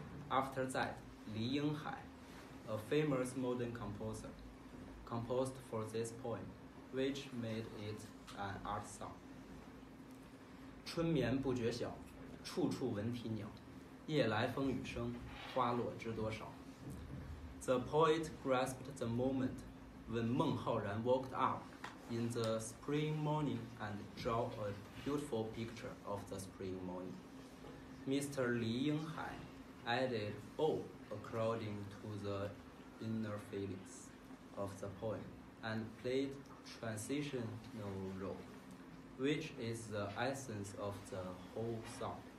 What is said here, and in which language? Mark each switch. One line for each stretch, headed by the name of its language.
English: After that, Li Yinghai, a famous modern composer, composed for this poem, which made it an art song.
Chinese: 春眠不觉晓，处处闻啼鸟，夜来风雨声，花落知多少。
English: The poet grasped the moment when Meng Haoran woke up in the spring morning and drew a beautiful picture of the spring morning. Mr. Li Yinghai added "oh" according to the inner feelings of the poem and played transitional role, which is the essence of the whole song.